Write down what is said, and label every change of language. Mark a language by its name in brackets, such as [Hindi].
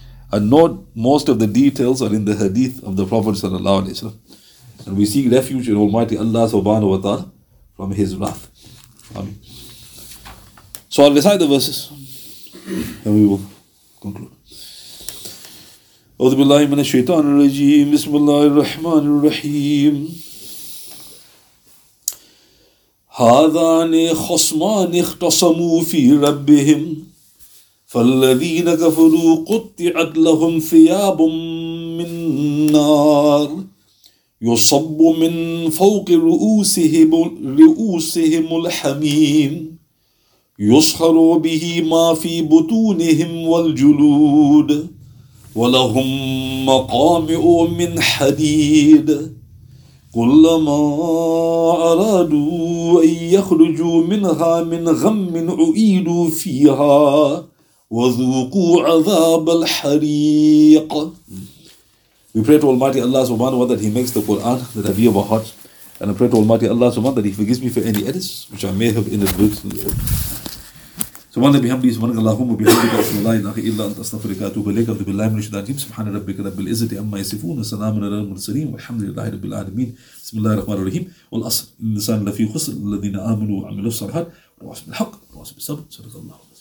[English] And note, most of the details are in the hadith of the Prophet sallallahu alaihi wasallam. And we seek refuge in Almighty Allah subhanahu wa ta'ala from his wrath. Amen. So I'll recite the verses and we will conclude. [Arabic] أعوذ بالله من الشيطان الرجيم بسم الله الرحمن الرحيم هذان خصمان اختصموا في ربهم فالذين كفروا قطعت لهم ثياب من نار يصب من فوق رؤوسهم الحميم يصهر به ما في بطونهم والجلود ولهم مقامع من حديد كلما أرادوا أن يخرجوا منها من غم أعيدوا فيها وذوقوا عذاب الحريق. [English] We pray to Almighty Allah subhanahu wa ta'ala that He makes the Quran the Rabi of our hearts. And I pray to Almighty Allah subhanahu wa ta'ala that He forgives me for any edits which I may have inadvertently written. [Arabic] سبحان ربي حمدي سبحان الله اللهم بحمدك اسم الله لا اله الا انت استغفرك واتوب اليك اعوذ بالله من الشيطان الرجيم سبحان ربك رب العزه عما يصفون وسلام على المرسلين والحمد لله رب العالمين بسم الله الرحمن الرحيم والاصل الانسان لفي خسر الذين امنوا وعملوا الصالحات وتواصوا بالحق وتواصوا بالصبر صدق الله العظيم